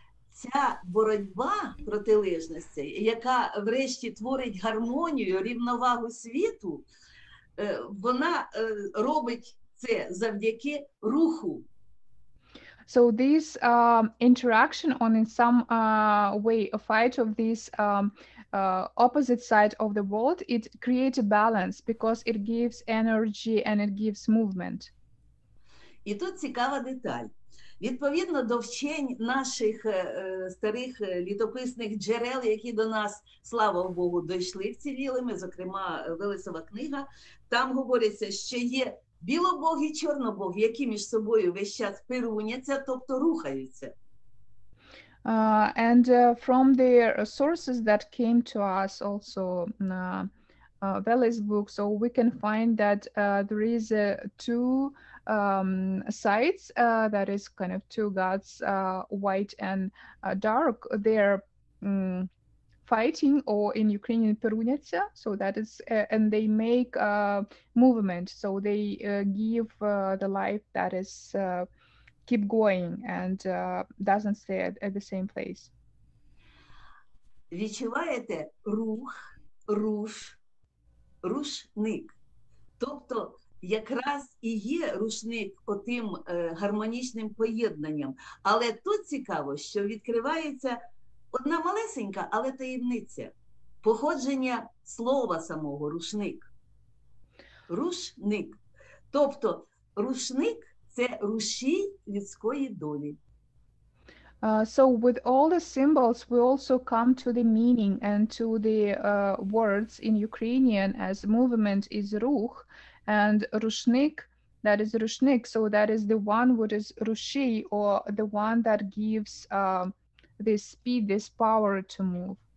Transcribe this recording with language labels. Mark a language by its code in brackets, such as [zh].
[uk] Ця боротьба протилежностей, яка врешті творить гармонію, рівновагу світу, вона робить це завдяки руху. [en] So this interaction on in some way a fight of this opposite side of the world, it creates a balance because it gives energy and it gives movement. [uk] І тут цікава деталь. Відповідно до вчень наших старих літописних джерел, які до нас, слава Богу, дійшли вцілілими, зокрема Велесова книга, там говориться, що є білобог і чорнобог, які між собою весь час перуняться, тобто рухаються. [en] And from the sources that came to us also Velis book, so we can find that there is two sides, that is kind of two gods, white and dark, they're fighting, or in Ukrainian перуняться, so that is, and they make a movement, so they give the life that is keep going and doesn't stay at the same place. [uk] Відчуваєте рух, руш, рушник, тобто якраз і є рушник отим гармонічним поєднанням, але тут цікаво, що відкривається одна малесенька, але таємниця. Походження слова самого рушник. Рушник. Тобто рушник – це рушій людської долі. [en] So with all the symbols, we also come to the meaning and to the words in Ukrainian as movement is рух, and рушник – that is рушник, so that is the one which is рушій, or the one that gives this speed, this power to move.